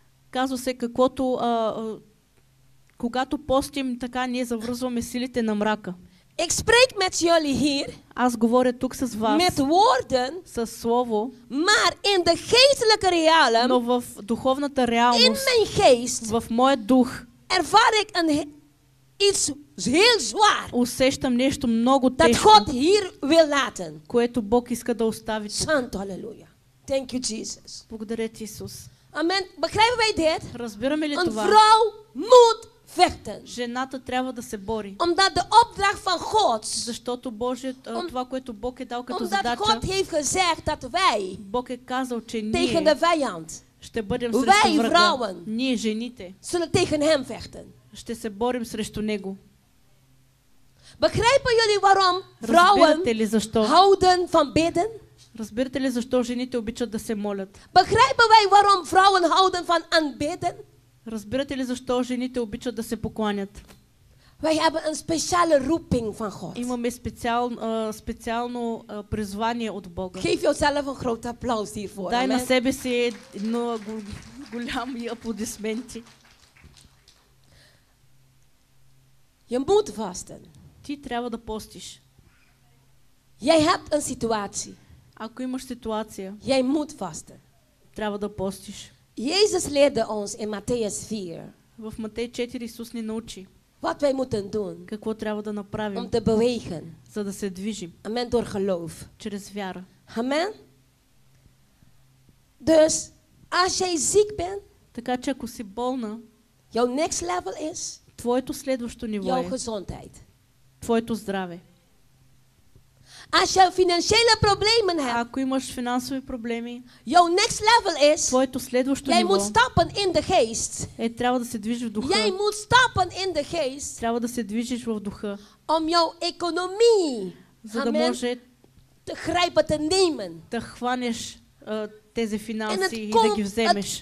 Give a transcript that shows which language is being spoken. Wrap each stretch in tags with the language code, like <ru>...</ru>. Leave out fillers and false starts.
<bg>Казва се, каквото когато постим, така ние завързваме силите на мрака.</bg> <nl>Ik spreek met jullie hier.</nl> <bg>Аз говоря тук с вас.</bg> <nl>Met woorden.</nl> <bg>С слово.</bg> <nl>Maar in de geestelijke realen.</nl> <bg>Но в духовната реалност.</bg> <nl>In mijn geest.</nl> <bg>В моя дух.</bg> <nl>Ervaar ik iets heel zwaar.</nl> <bg>Усещам нещо много тежко.</bg> <nl>Dat God hier wil laten.</nl> <bg>Което Бог иска да остави.</bg> <en>Santo, halleluja. Thank you, Jesus.</en> <bg>Благодаря ти, Исус.</bg> <nl>Amen. Begrijpen wij dit?</nl> <bg>Разбираме ли</bg> <nl>een</nl> <bg>това?</bg> <nl>Een vrouw moet vechten.</nl> <bg>Жената трябва да се бори.</bg> <nl>Omdat de opdracht van God.</nl> <bg>Защото това, което Бог е дал като</bg> <nl>omdat</nl> <bg>задача.</bg> <nl>Omdat God heeft gezegd dat wij.</nl> <bg>Бог е казал, че ние.</bg> <nl>Tegen de vijand.</nl> <bg>Ще бъдем срещу врага. Ние, жените.</bg> <nl>Zullen tegen hem vechten.</nl> <bg>ще се борим срещу него.</bg> <nl>Begrijpen jullie waarom vrouwen houden van bidden?</nl> <bg>Разбирате ли защо жените обичат да се молят?</bg> <nl>Begrijpen wij waarom vrouwen houden van aanbidden?</nl> <bg>Разбирате ли защо жените обичат да се покланят?</bg> <nl>Wij hebben een speciale roeping van God.</nl> <bg>Имаме специално призвание от Бога.</bg> <nl>Geef jezelf een groot applaus hiervoor.</nl> <bg>Дай на себе си много голями аплодисменти.</bg> <nl>Je moet vasten.</nl> <bg>Ти трябва да постиш.</bg> <nl>Jij hebt een situatie.</nl> <bg>Ако имаш ситуация.</bg> <nl>Jij moet vasten.</nl> <bg>Трябва да постиш.</bg> <nl>Jezus leerde ons in Matthäus 4.</nl> <bg>В Матей 4 Исус ни научи.</bg> <nl>Wat wij moeten doen.</nl> <bg>Какво трябва да направим?</bg> <nl>Om te bewegen.</nl> <bg>За да се движим.</bg> <nl>Amen, door geloof.</nl> <bg>Чрез вяра.</bg> <nl>Amen. Dus als jij ziek bent,</nl> <bg>така че ако си болна,</bg> <en>jouw next level is,</en> <bg>твоето следващо ниво</bg> <nl>jouw gezondheid.</nl> <bg>Е твоето здраве.</bg> <nl>Als je financiële problemen hebt,</nl> <bg>ако имаш финансови проблеми,</bg> <en>your next level is,</en> <bg>твоето следващо ниво,</bg> <nl>jij moet stappen in</nl> <en>the</en> <nl>geest.</nl> <bg>Е, трябва да се движиш в духа.</bg> <nl>Jij moet stappen in</nl> <en>the</en> <nl>geest.</nl> <bg>Трябва да се движиш в духа.</bg> <nl>Om jouw economie,</nl> <bg>за да може</bg> <nl>te grijpen, te nemen.</nl> <bg>Да хванеш тези финанси и да ги вземеш.</bg>